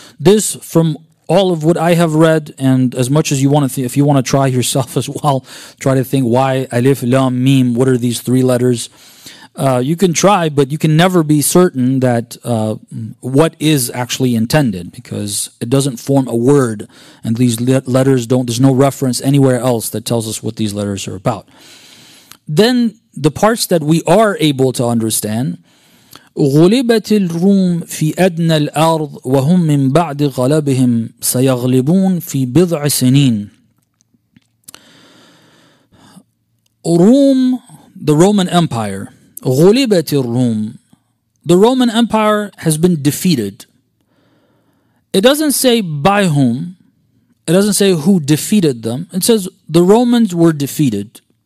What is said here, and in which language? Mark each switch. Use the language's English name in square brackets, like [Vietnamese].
[English] This, from all of what I have read, and as much as you want to think, if you want to try yourself as well, try to think, why alif, lam, mim, what are these three letters? You can try, but you can never be certain that what is actually intended, because it doesn't form a word, and these letters don't, there's no reference anywhere else that tells us what these letters are about. Then the parts that we are able to understand, [Arabic] غُلِبَتِ الْرُومِ فِي أَدْنَى الْأَرْضِ وَهُمْ مِنْ بَعْدِ غَلَبِهِمْ سَيَغْلِبُونَ فِي بِضْعِ سِنِينَ. [English] Rome, the Roman Empire, [Arabic] غُلِبَتِ الرُّومِ, [English] the Roman Empire has been defeated. It doesn't say by whom, it doesn't say who defeated them, it says the Romans were defeated.